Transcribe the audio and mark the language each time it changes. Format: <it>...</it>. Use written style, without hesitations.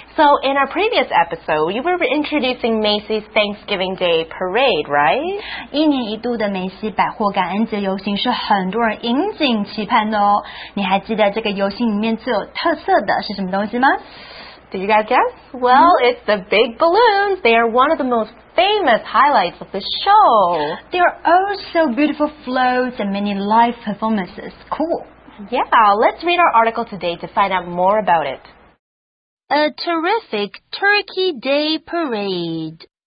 <en>So in our previous episode, you were introducing Macy's Thanksgiving Day Parade, right?</en> <zh>一年一度的梅西百货感恩节游行是很多人引颈期盼的哦。你还记得这个游行里面最有特色的是什么东西吗？</zh> <en>Did you guys guess? Well, it's the big balloons. They are one of the most famous highlights of the show. They are also beautiful floats and many live performances. Cool. Yeah, let's read our article today to find out more about it. A terrific Turkey Day Parade.</en>